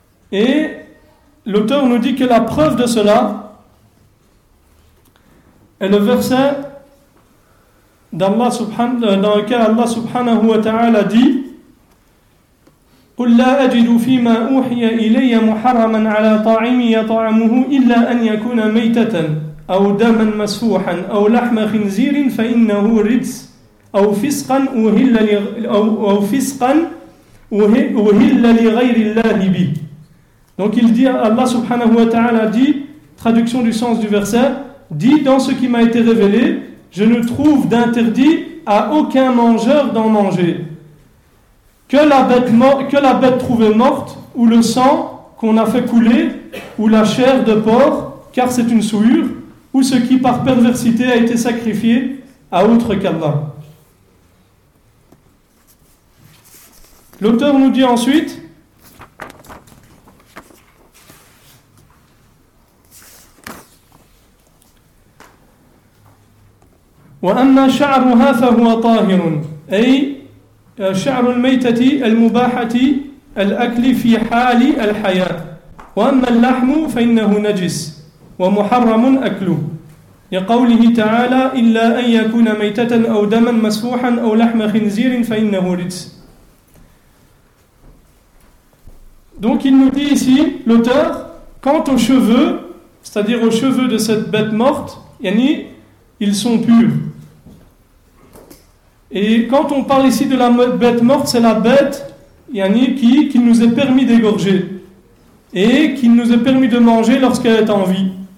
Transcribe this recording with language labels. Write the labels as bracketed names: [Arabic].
[French] Et l'auteur nous dit que la preuve de cela est le verset dans lequel Allah subhanahu wa ta'ala dit: [Arabic] قل لا أجد فيما أوحي إلي محرما على طاعم يطعمه إلا أن يكون ميتة أو دما مسفوحا أو لحم خنزير فإنه رجس أو فسقا أهل أو فسقا أهل لغير الله به. [French] Donc il dit, Allah subhanahu wa ta'ala dit, traduction du sens du verset, dit dans ce qui m'a été révélé, je ne trouve d'interdit à aucun mangeur d'en manger. Que la bête trouvée morte, ou le sang qu'on a fait couler, ou la chair de porc, car c'est une souillure, ou ce qui par perversité a été sacrifié à autre qu'Allah. L'auteur nous dit ensuite, [Arabic] وأما شعرها فهو طاهر أي شعر الميتة المباحة الأكل في حال الحياة وأما اللحم فإنه نجس ومحرم أكله لقوله تعالى إلا أن يكون ميتة أو دما مسفوحا أو لحم خنزير فإنه رجس. [French] Donc il nous dit ici l'auteur quant aux cheveux, c'est-à-dire aux cheveux de cette bête morte, yani ils sont purs. Et quand on parle ici de la bête morte, c'est la bête, yani, qui nous est permis d'égorger et qui nous est permis de manger lorsqu'elle est en vie.